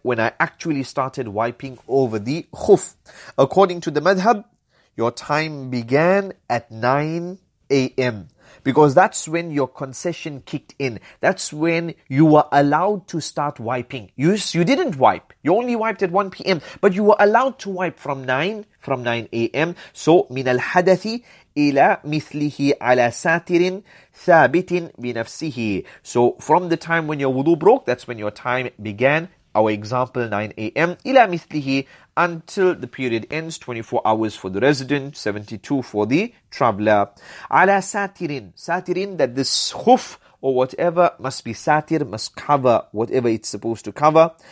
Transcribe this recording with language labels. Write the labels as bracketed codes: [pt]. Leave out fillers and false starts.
[en] when I actually started wiping over the khuf? According to the madhab, your time began at 9 a.m. Because that's when your concession kicked in. That's when you were allowed to start wiping. You didn't wipe. You only wiped at 1 p.m. But you were allowed to wipe from 9 a.m. [ar] So, من الحدث إلى مثله على ساتر ثابت بنفسه. [en] So, from the time when your wudu broke, that's when your time began. Our example, 9 a.m. [ar] إلى مثله [en] until the period ends, 24 hours for the resident, 72 for the traveler. Ala satirin, satirin, that this khuf or whatever must be satir, must cover whatever it's supposed to cover.